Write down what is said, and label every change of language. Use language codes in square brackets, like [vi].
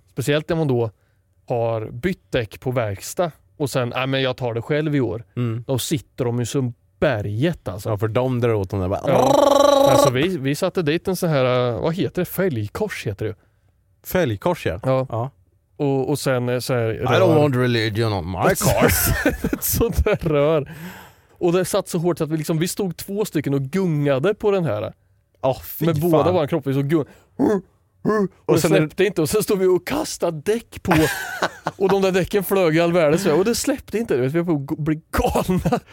[sv] Speciellt när man då har bytt däck på verkstad och sen, nej men jag tar det själv i år. Mm. Då sitter de ju som berget alltså. Ja, för de drar åt dem där. Bara... Ja. Alltså vi satte dit en sån här, vad heter det? Fälgkors heter det ju. Fälgkors, ja. Ja. Ja. Och sen så här, [en] rör. I don't want religion on my car. [sv] Sånt där rör. Och det satt så hårt så att vi, liksom, vi stod två stycken och gungade på den här. Oh, med båda våra kroppar. Och och det släppte inte. Och sen stod vi och kastade däck på. Och de där däcken flög i all världen. Så, och det släppte inte. Vi var på att bli galna.